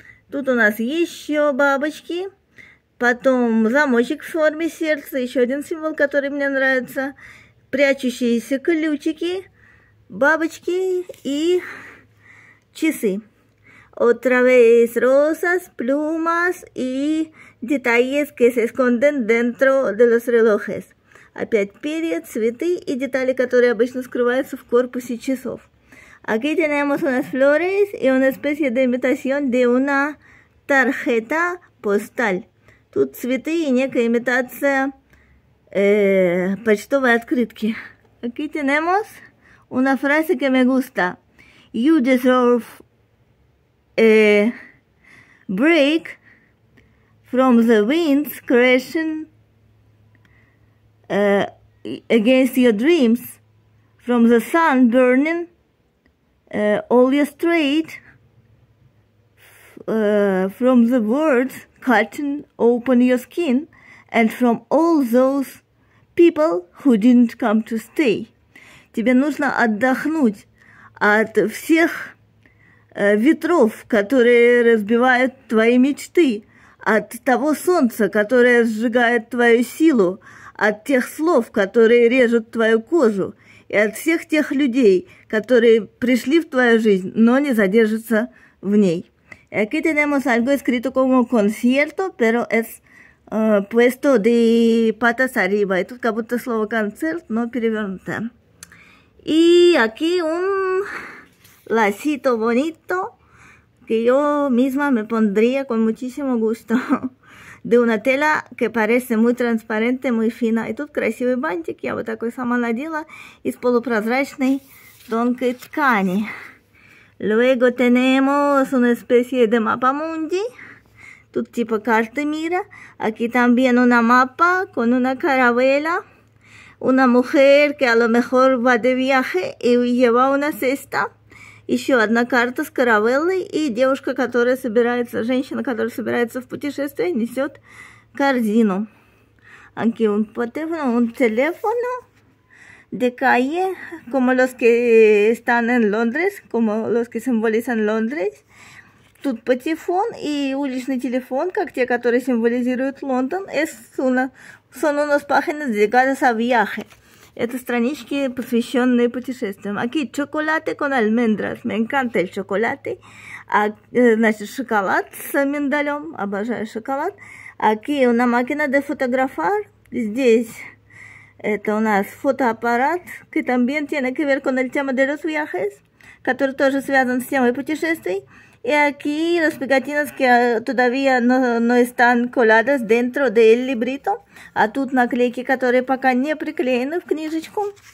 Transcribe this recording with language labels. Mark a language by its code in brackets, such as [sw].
[ru] Тут у нас еще бабочки, потом замочек в форме сердца, еще один символ, который мне нравится, прячущиеся ключики, бабочки и часы. [es] Otra vez rosas, plumas y detalles que se esconden dentro de los relojes. [ru] Опять перья, цветы и детали, которые обычно скрываются в корпусе часов. [es] Aquí tenemos unas flores y una especie de imitación de una tarjeta postal. [ru] Тут цветы и некая имитация почтовой открытки. [es] Aquí tenemos una frase que me gusta. [en] You deserve a break from the winds crashing against your dreams, from the sun burning all your straight, from the words cutting open your skin, and from all those people who didn't come to stay. [ru] Тебе нужно отдохнуть от всех ветров, которые разбивают твои мечты, от того солнца, которое сжигает твою силу, от тех слов, которые режут твою кожу, и от всех тех людей, которые пришли в твою жизнь, но не задержатся в ней. [es] Aquí tenemos algo escrito como concierto, pero es puesto de patas arriba. [ru] И тут как будто слово концерт, но перевернуто. И [es] aquí un lacito bonito que yo misma me pondría con muchísimo gusto de una tela que parece muy transparente, muy fina. [ru] И тут красивый бантик, я вот такой сама надела, из полупрозрачной тонкой ткани. [es] Luego tenemos una especie de mapa mundi. [ru] Тут типа карты мира. [es] Aquí también una mapa con una carabela. Una mujer que a lo mejor va de viaje y lleva una cesta. [ru] Еще одна карта с каравеллой и девушка, которая собирается, женщина, которая собирается в путешествие, несет корзину. [es] Aquí un teléfono de calle, como los que están en Londres, como los que simbolizan Londres. [ru] Тут патефон и уличный телефон, как те, которые символизируют Лондон. [es] Son unos páginas dedicadas a viaje. [ru] Это странички, посвященные путешествиям. [es] Aquí chocolate con almendras. Me encanta el chocolate. [ru] Значит, шоколад с миндалем. Обожаю шоколад. [es] Aquí una máquina de fotografar. [ru] Здесь это у нас фотоаппарат, [es] que también tiene que ver con el tema de los viajes, [ru] который тоже связан с темой путешествий. И [es] aquí las pegatinas que todavía no están coladas dentro del librito. [ru] А тут наклейки, которые пока не приклеены в книжечку.